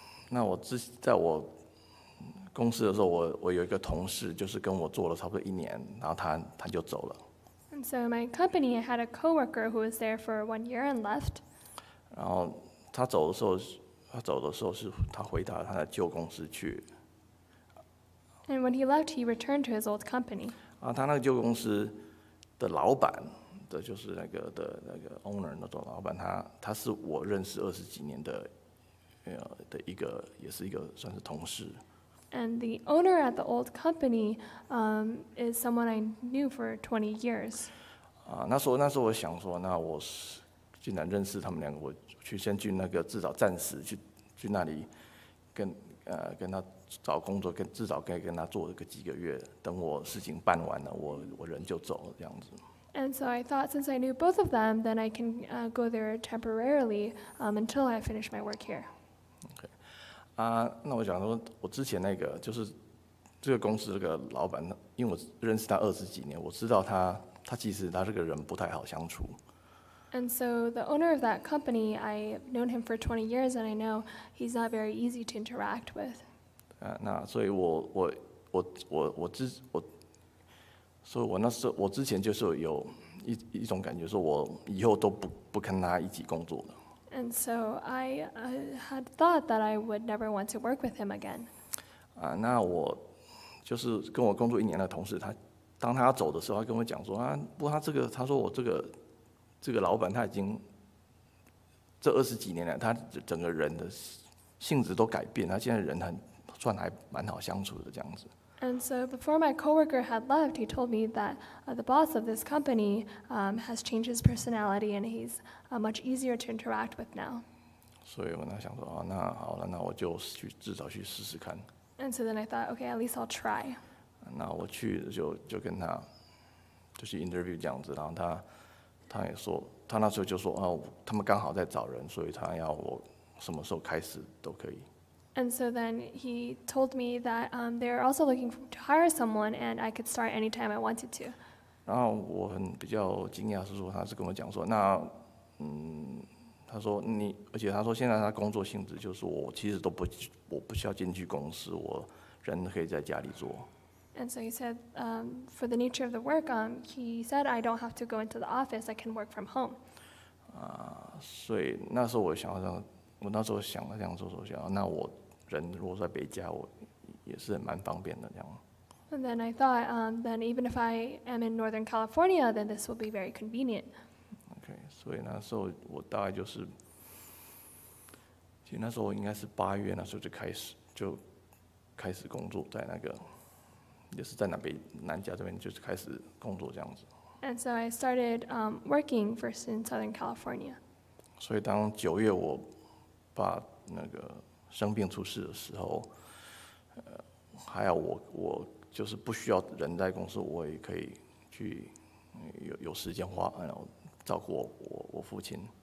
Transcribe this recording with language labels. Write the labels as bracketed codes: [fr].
[zh] 那我在我公司的时候，我有一个同事，就是跟我做了差不多一年，然后他就走了。 [en] And so in my company, I had a coworker who was there for 1 year and left. [zh] 然后他走的时候是他回到他的旧公司去。 [en] And when he left, he returned to his old company. [zh] 他那个旧公司的老板，就是那个 owner 那种老板，他是我认识二十几年的，的一个也是一个算是同事。 [en] And the owner at the old company, is someone I knew for 20 years. [zh] 那时候我想说，那我既然认识他们两个，我去先去那个至少暂时去那里跟他找工作，至少可以跟他做个几个月，等我事情办完了，我人就走这样子。 [en] And so I thought, since I knew both of them, then I can go there temporarily until I finish my work here. [zh] Okay. 那我想说，我之前那个就是这个公司这个老板，因为我认识他二十几年，我知道他其实他这个人不太好相处。 [en] And so the owner of that company, I've known him for 20 years, and I know he's not very easy to interact with. [zh] 那所以我那时候我之前就是有一种感觉，说我以后都不跟他一起工作了。 [en] And so I had thought that I would never want to work with him again. [zh] 那我就是跟我工作一年的同事，他当他走的时候，他跟我讲说啊，不，他这个，他说我这个老板他已经这二十几年了，他整个人的性质都改变，他现在人算还蛮好相处的这样子。 [en] And so before my coworker had left, he told me that the boss of this company has changed his personality and he's much easier to interact with now. [zh] 所以我那想说啊，那好了，那我就去至少去试试看。 [en] And so then I thought, okay, at least I'll try. [zh] 那我去就跟他就去 interview 这样子，然后他也说，他那时候就说啊，他们刚好在找人，所以他要我什么时候开始都可以。 [en] And so then he told me that they're also looking to hire someone, and I could start anytime I wanted to. [zh] 然后我很比较惊讶是说，他是跟我讲说，那他说你，而且他说现在他工作性质就是我其实都不需要进去公司，我人可以在家里做。 [en] And so he said, for the nature of the work, he said I don't have to go into the office, I can work from home. [zh] 所以那时候我想说。我那时候想了这样做，说想，那我人如果在北加，我也是蛮方便的这样。 [en] And then I thought, then even if I am in Northern California, then this will be very convenient. [zh] Okay, 所以那时候我大概就是，其实那时候应该是八月，那时候就开始工作在那个，也是在南加这边就是开始工作这样子。 [en] And so I started working first in Southern California. [zh] 所以当九月我爸那个生病出事的时候，还有我就是不需要人在公司，我也可以去有时间花，然后照顾我父亲。